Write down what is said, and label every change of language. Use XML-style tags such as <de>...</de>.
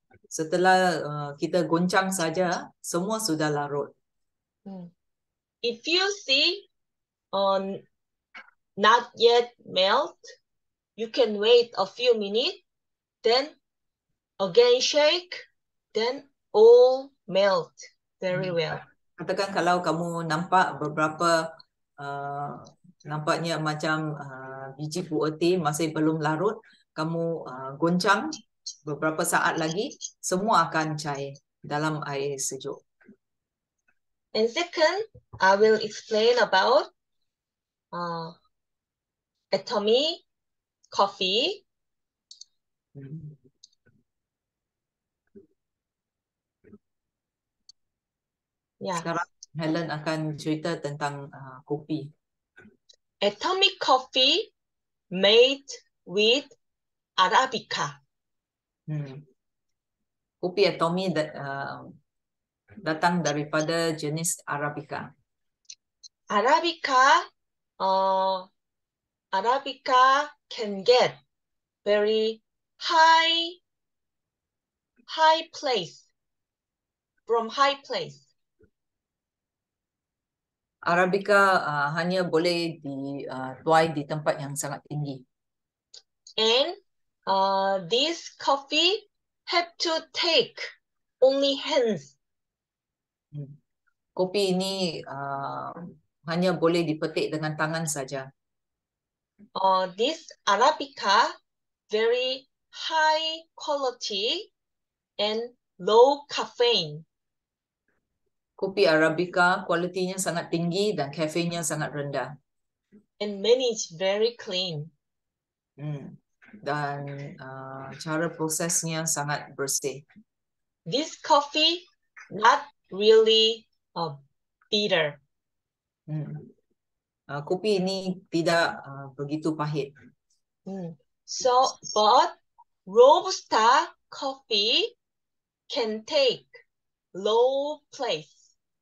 <ms>Setelah kita goncang saja, semua sudah larut.</ms> <en>If you see on not yet melt, you can wait a few minutes, then again shake, then all melt very well.</en> <ms>Katakan kalau kamu nampak beberapa nampaknya macam biji puer tea masih belum larut, kamu goncang beberapa saat lagi, semua akan cair dalam air sejuk.</ms> <en>And second, I will explain about atomy coffee. Yeah.</en> <ms>Sekarang Helen akan cerita tentang kopi.</ms> <en>Atomic coffee made with Arabica.</en> <ms>Kopi atomi datang daripada jenis Arabica.</ms> <en>Arabica, Arabica can get very high place from high place.</en> <ms>Arabica hanya boleh dituai di tempat yang sangat tinggi.</ms> <en>And this coffee have to take only hands.</en> <ms>Kopi ini hanya boleh dipetik dengan tangan saja.</ms> <en>This Arabica very high quality and low caffeine.</en> <ms>Kopi Arabica kualitinya sangat tinggi dan kafeinnya sangat rendah.</ms> <en>And manage very clean.</en> <ms>Dan cara prosesnya sangat bersih.</ms> <en>This coffee not really bitter.</en> <ms>Kopi ini tidak begitu pahit.</ms> <en>So, but Robusta coffee can take low place.</en>